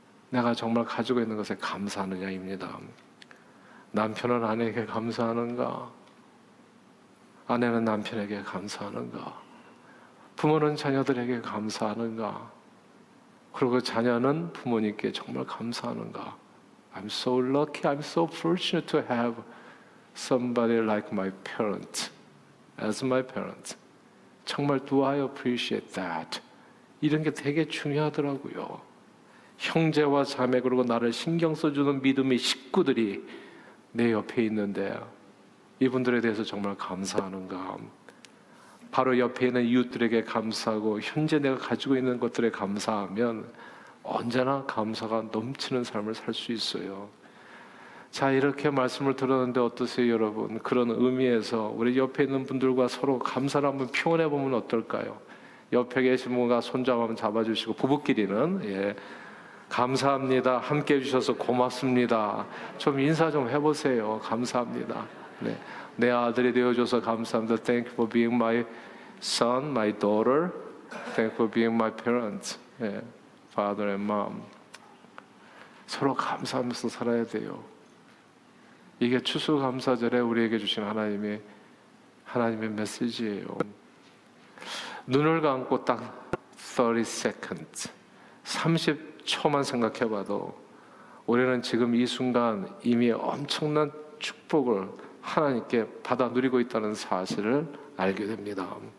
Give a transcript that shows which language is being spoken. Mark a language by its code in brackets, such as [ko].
[ko] 내가 정말 가지고 있는 것에 감사하느냐입니다. 남편은 아내에게 감사하는가? 아내는 남편에게 감사하는가? 부모는 자녀들에게 감사하는가? 그리고 자녀는 부모님께 정말 감사하는가? [en] I'm so lucky, I'm so fortunate to have somebody like my parent, as my parent. 정말 do I appreciate that? [ko] 이런 게 되게 중요하더라고요. 형제와 자매 그리고 나를 신경 써주는 믿음의 식구들이 내 옆에 있는데 이분들에 대해서 정말 감사하는가? 바로 옆에 있는 이웃들에게 감사하고 현재 내가 가지고 있는 것들에 감사하면 언제나 감사가 넘치는 삶을 살 수 있어요. 자, 이렇게 말씀을 들었는데 어떠세요 여러분? 그런 의미에서 우리 옆에 있는 분들과 서로 감사를 한번 표현해 보면 어떨까요? 옆에 계신 분과 손잡아 한번 잡아주시고 부부끼리는 예, 감사합니다. 함께 해주셔서 고맙습니다. 좀 인사 좀 해보세요. 감사합니다. 네. 내 아들이 되어줘서 감사합니다. [en] Thank you for being my son, my daughter. Thank you for being my parents, father and mom. [ko] 서로 감사하면서 살아야 돼요. 이게 추수감사절에 우리에게 주신 하나님의 메시지예요. 눈을 감고 딱 30 seconds, 30초만 생각해봐도 우리는 지금 이 순간 이미 엄청난 축복을 하나님께 받아 누리고 있다는 사실을 알게 됩니다.